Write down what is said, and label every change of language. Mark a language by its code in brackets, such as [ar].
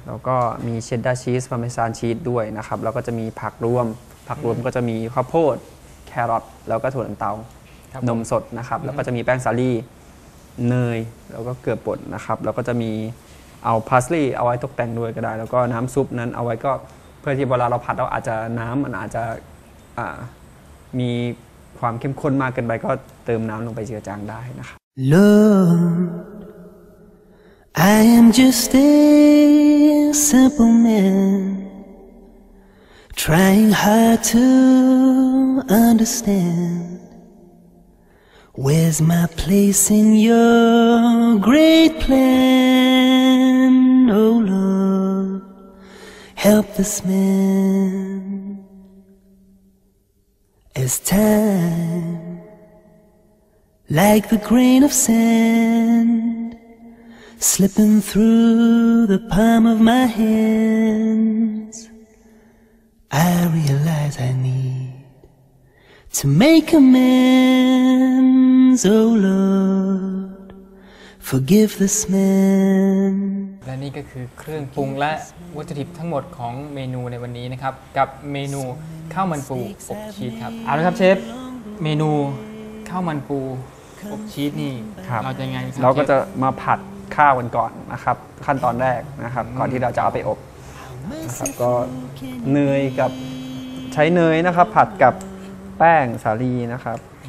[th] แล้วก็มีเชดดาร์ชีสพาร์เมซานชีสด้วยนะครับแล้วก็จะมีผักรวมผักรวมก็จะมีข้าวโพดแครอทแล้วก็ถั่วลันเตานมสดนะครับแล้วก็จะมีแป้งสาลี่เนยแล้วก็เกลือป่นนะครับแล้วก็จะมีเอาพาสลีย์เอาไว้ตกแต่งด้วยก็ได้แล้วก็น้ำซุปนั้นเอาไว้ก็เพื่อที่เวลาเราผัดเราอาจจะน้ำมันอาจจะมีความเข้มข้นมากเกินไปก็เติมน้ำลงไปเจือจางได้นะครับ [en] Love I am just a simple man trying hard to understandWhere's my place in your great plan? Oh Lord, help this man. As time, like the grain of sand, slipping through the palm of my hands, I realize I need to make amends. Oh Lord, forgive this man. [th] และนี่ก็คือเครื่องปรุงและวัตถุดิบทั้งหมดของเมนูในวันนี้นะครับกับเมนูข้าวมันปูอบชีสครับเอาละครับเชฟเมนูข้าวมันปูอบชีสนี่เราจะยังไง เราก็จะมาผัดข้าวกันก่อนนะครับขั้นตอนแรกนะครับก่อนที่เราจะเอาไปอบนะครับก็เนยกับใช้เนยนะครับผัดกับแป้งสาลีนะครับ